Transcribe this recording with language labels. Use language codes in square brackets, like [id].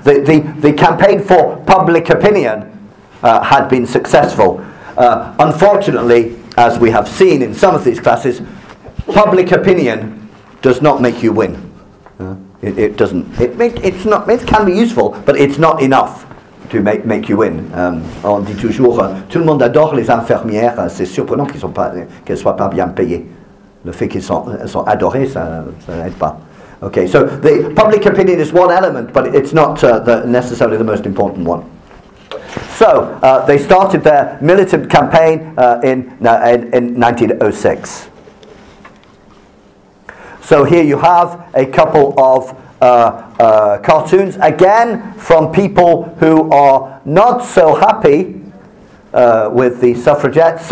[en] The campaign for public opinion had been successful. Unfortunately, as we have seen in some of these classes, public opinion does not make you win. It can be useful, but it's not enough to make you win. [fr] On dit toujours, tout le monde adore les infirmières, c'est surprenant qu'elles soient pas bien payées. Le fait qu'ils sont adorés, ça n'aide pas. [en] Okay, so the public opinion is one element, but it's not necessarily the most important one. So they started their militant campaign in 1906. So here you have a couple of cartoons, again from people who are not so happy with the suffragettes.